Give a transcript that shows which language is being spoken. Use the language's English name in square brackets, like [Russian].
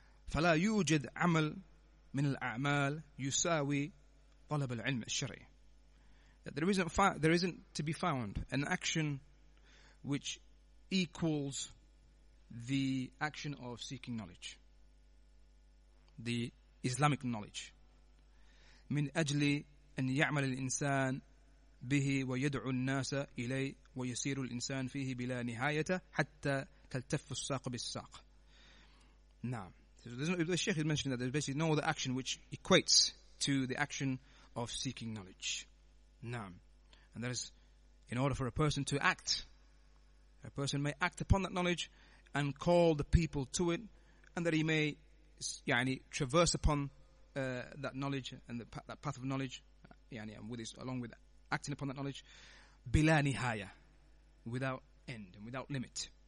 [Arabic] فَلَا يُوجَدْ عَمَلْ مِنَ الْأَعْمَالِ يُسَاوِي طَلَبَ الْعِلْمِ الشَّرْعِ. [English] That there isn't to be found an action which equals the action of seeking knowledge, the Islamic knowledge. [Arabic] مِنْ أَجْلِ أَنْ يَعْمَلَ الْإِنسَانِ به ويدعو الناس إليه ويسير الإنسان فيه بلا نهاية حتى تلتف الساق بالساق. نعم. [English] The Shaykh is mentioning that there's basically no other action which equates to the action of seeking knowledge. [Arabic] نعم. [English] And that is, in order for a person to act, a person may act upon that knowledge and call the people to it, and that he may يعني, traverse upon that knowledge and that path of knowledge يعني, along with that, acting upon that knowledge, [Arabic] bila nihaya, [English] without end and without limit.